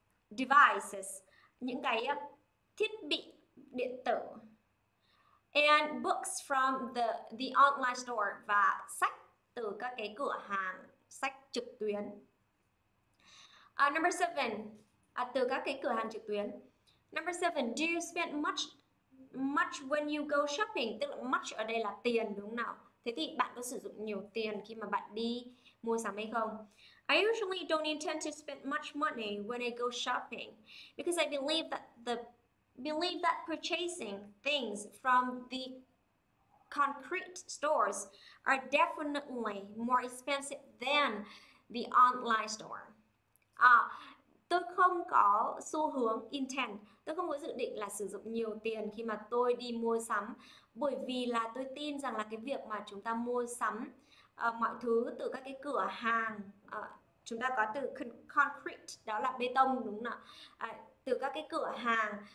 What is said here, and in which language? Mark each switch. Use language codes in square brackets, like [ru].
[vi] devices, những cái thiết bị điện tử, [en] and books from the online store, [vi] và sách từ các cái cửa hàng sách trực tuyến. [en] Number 7, [vi] từ các cái cửa hàng trực tuyến. [en] Number 7, do you spend much much when you go shopping? [vi] Tức là much ở đây là tiền đúng không nào? Thế thì bạn có sử dụng nhiều tiền khi mà bạn đi mua sắm hay không? [en] I usually don't intend to spend much money when I go shopping because I believe that purchasing things from the concrete stores are definitely more expensive than the online store. [vi] Tôi không có xu hướng intend, tôi không có dự định là sử dụng nhiều tiền khi mà tôi đi mua sắm, bởi vì là tôi tin rằng là cái việc mà chúng ta mua sắm mọi thứ từ các cái cửa hàng, chúng ta có từ concrete đó là bê tông đúng không ạ, từ các cái cửa hàng